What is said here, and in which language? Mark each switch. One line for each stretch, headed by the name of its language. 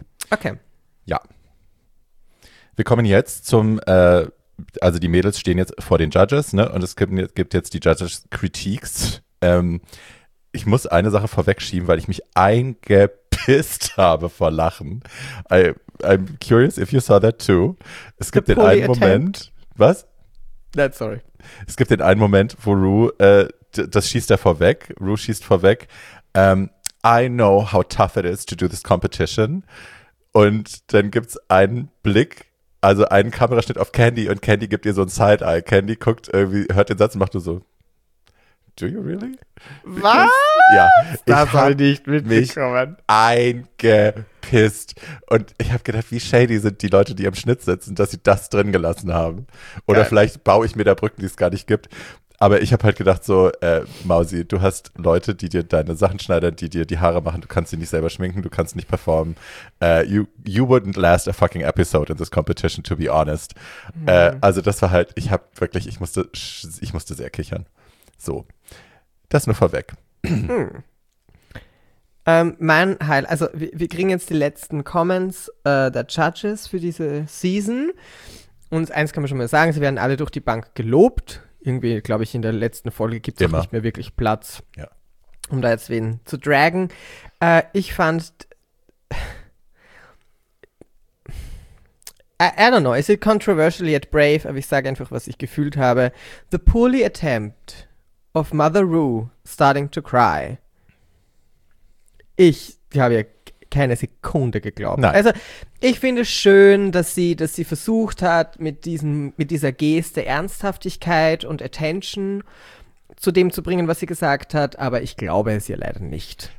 English: Okay.
German: Ja. Wir kommen jetzt zum, also die Mädels stehen jetzt vor den Judges, ne? Und es gibt jetzt die Judges-Critiques. Ich muss eine Sache vorwegschieben, weil ich mich eingepisst habe vor Lachen.
English: I'm curious if you saw that too.
German: Es gibt den einen Moment. Was?
English: That's sorry.
German: Es gibt den einen Moment, wo Rue schießt vorweg.
English: I know how tough it is to do this competition.
German: Und dann gibt's einen Blick, also einen Kameraschnitt auf Candy und Candy gibt ihr so ein Side-Eye. Candy guckt irgendwie, hört den Satz und macht nur so.
English: Do you really?
German: Because, was? Ja, ich habe mich eingepisst. Und ich habe gedacht, wie shady sind die Leute, die im Schnitt sitzen, dass sie das drin gelassen haben. Oder geil. Vielleicht baue ich mir da Brücken, die es gar nicht gibt. Aber ich habe halt gedacht so, Mausi, du hast Leute, die dir deine Sachen schneiden, die dir die Haare machen. Du kannst sie nicht selber schminken, du kannst nicht performen.
English: You wouldn't last a fucking episode in this competition, to be honest.
German: Also das war halt, ich musste sehr kichern. So. Das nur vorweg. Mein Heil, also wir kriegen jetzt die letzten Comments der Judges für diese Season. Und eins kann man schon mal sagen, sie werden alle durch die Bank gelobt. Irgendwie, glaube ich, in der letzten Folge gibt es auch nicht mehr wirklich Platz, ja, um da jetzt wen zu dragen. Ich fand,
English: I don't know, is it controversial yet brave?
German: Aber ich sage einfach, was ich gefühlt habe.
English: The poorly attempt of Mother Rue starting to cry.
German: Ich habe ja keine Sekunde geglaubt. Nein. Also ich finde es schön, dass sie versucht hat, mit dieser Geste Ernsthaftigkeit und Attention zu dem zu bringen, was sie gesagt hat. Aber ich glaube es ihr leider nicht.